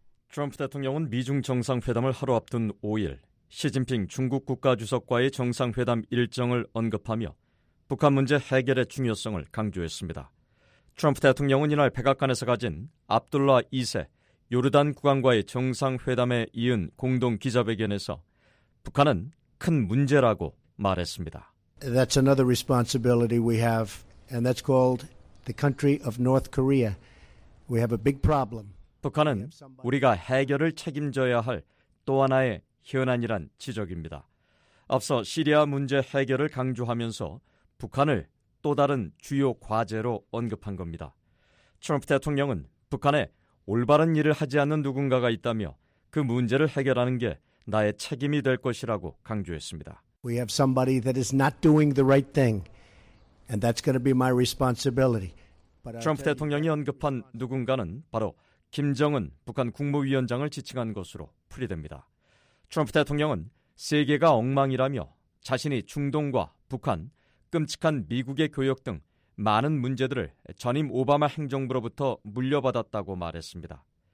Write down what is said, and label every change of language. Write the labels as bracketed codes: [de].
[ko] 트럼프 대통령은 미중 정상회담을 하루 앞둔 5일 시진핑 중국 국가주석과의 정상회담 일정을 언급하며 북한 문제 해결의 중요성을 강조했습니다. 트럼프 대통령은 이날 백악관에서 가진 압둘라 2세 요르단 국왕과의 정상회담에 이은 공동 기자회견에서 북한은 큰 문제라고 말했습니다. [en] That's another responsibility we have, and that's called the country of North Korea. We have a big problem. [ko] 북한은 우리가 해결을 책임져야 할 또 하나의 현안이란 지적입니다. 앞서 시리아 문제 해결을 강조하면서 북한을 또 다른 주요 과제로 언급한 겁니다. 트럼프 대통령은 북한에 올바른 일을 하지 않는 누군가가 있다며 그 문제를 해결하는 게 나의 책임이 될 것이라고 강조했습니다. [en] We have somebody that is not doing the right thing, and that's going to be my responsibility. [ko] 트럼프 대통령이 언급한 누군가는 바로 김정은 북한 국무위원장을 지칭한 것으로 풀이됩니다. 트럼프 대통령은 세계가 엉망이라며 자신이 중동과 북한, 끔찍한 미국의 교역 등 많은 문제들을 전임 오바마 행정부로부터 물려받았다고 말했습니다.